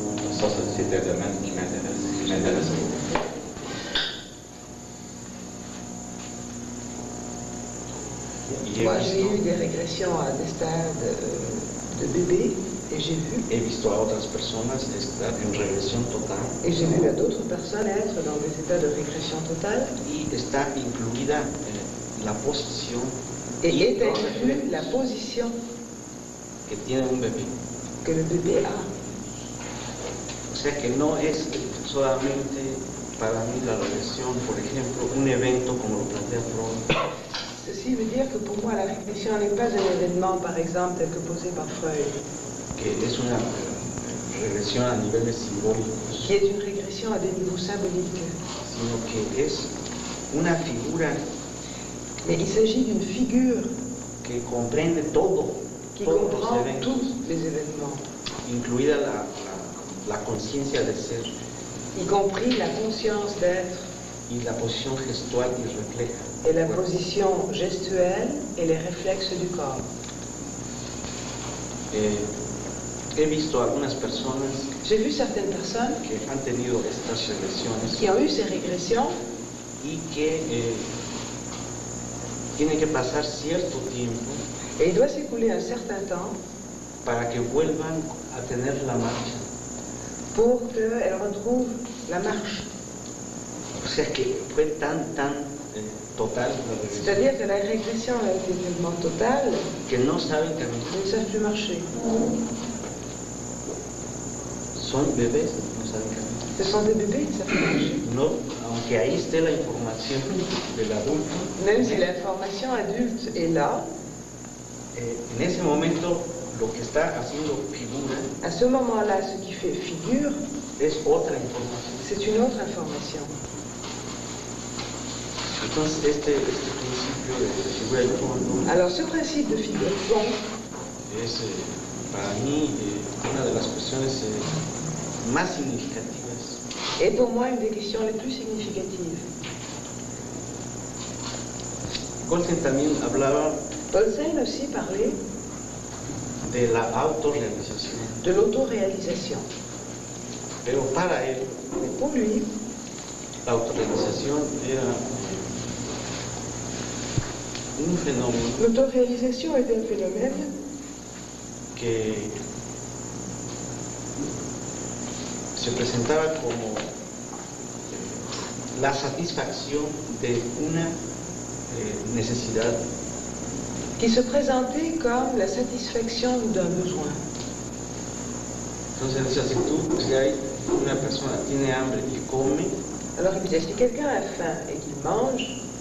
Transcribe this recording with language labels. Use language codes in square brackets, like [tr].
[fr] Ça, c'est un domaine qui m'intéresse, Moi, j'ai eu des régressions à des stades de bébé et j'ai vu. [es] He visto a otras personas en estado de regresión total. [fr] Et j'ai vu à d'autres personnes être dans des états de régression totale. [es] Y está incluida la posición. [fr] Et est inclue la position [es] que tiene un bébé. [fr] Que le bébé a. [es] O sea que no es solamente para mí la regresión, por ejemplo, un evento como lo plantea Freud. [fr] Ceci veut dire que pour moi la régression n'est pas un événement, par exemple, tel que posé par Freud. [es] Que es una regresión a niveles simbólicos. [fr] Qui est une régression à des niveaux symboliques. [es] Sino que es una figura. [fr] Mais il s'agit d'une figure. [es] Que comprende todo. [fr] Qui comprend tous les événements. [es] Incluida la conciencia de ser. [fr] Y compris la conscience d'être. [es] Y la posición gestual y refleja. [fr] Et la position gestuelle et les réflexes du corps. [es] He visto algunas personas. [fr] J'ai vu certaines personnes [es] que han tenido estas regresiones. [fr] Qui ont eu ces régressions. [es] Y que tiene que pasar cierto tiempo. [fr] Et il doit s'écouler un certain temps. [es] Para que vuelvan a tener la marcha. [fr] Pour qu'elles retrouvent la marche. [es] O sea que fue tan total. [fr] C'est-à-dire que la régression a été tellement totale qu'elles ne savent plus marcher. Ce sont des bébés qui ne savent plus marcher. [es] Non, aunque ahí esté la información de l'adulte. [fr] Même si l'information adulte est là, [es] en ese momento, lo que está haciendo figura, [fr] à ce moment-là, ce qui fait figure, [es] es otra información. [fr] C'est une autre information. [es] Entonces, este principio de figura de fondo. [fr] Alors, ce principe de figure de fond [es] es para mí una de las cuestiones más significativas. [fr] Et pour moi une des questions les plus significatives. [es] Colsen también hablaba. [fr] Colsen aussi parlait [es] de la autorrealización. [fr] De l'autoréalisation. [es] Pero para él. [fr] Mais pour lui. [es] La autorrealización era. Un fenómeno. [fr] L'autoréalisation est un phénomène [es] que se presentaba como la satisfacción de una necesidad. [fr] Qui se présentait comme la satisfaction d'un besoin. [es] Entonces, decía, si hay una persona tiene hambre y come. [fr] Alors, il disait, si quelqu'un a faim et qu'il mange.